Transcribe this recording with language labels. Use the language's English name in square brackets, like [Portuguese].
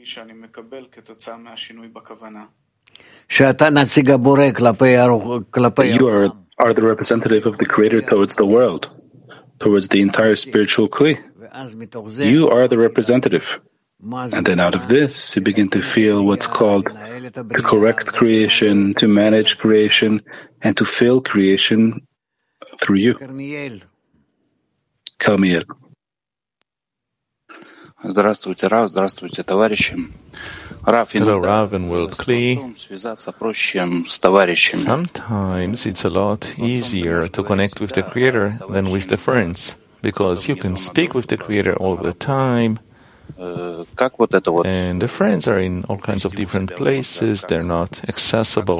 [English] You are the representative of the Creator towards the world, towards the entire spiritual kli. You are the representative. And then out of this, you begin to feel what's called the correct creation, to manage creation, and to fill creation through you. [Russian] Кармиэль. Здравствуйте, Рав, здравствуйте, товарищи. Рав, [English] hello, Rav and World Kli. Sometimes it's a lot easier to connect with the Creator than with the friends, because you can speak with the Creator all the time, and the friends are in all kinds of different places, they're not accessible.